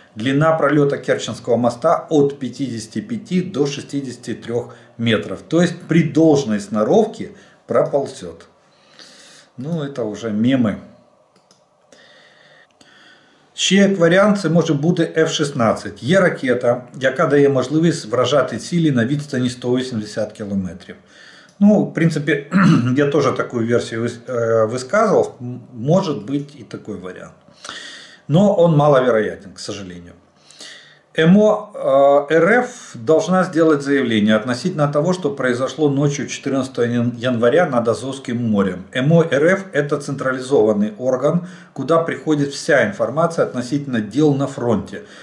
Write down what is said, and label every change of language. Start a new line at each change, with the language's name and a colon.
Russian: Длина пролета Керченского моста от 55 до 63 метров. То есть при должной сноровке проползет. Ну, это уже мемы.
Ukrainian: Ще як варіант, це може бути F-16. Є ракета, яка дає можливість вражати цілі на відстані 180 кілометрів. Ну, в принципі, я теж таку версію висказував. Може бути і такий варіант.
Russian: Но он маловероятен, к сожалению. МО РФ должна сделать заявление относительно того, что произошло ночью 14 января над Азовским морем. МО РФ – это централизованный орган, куда приходит вся информация относительно дел на фронте.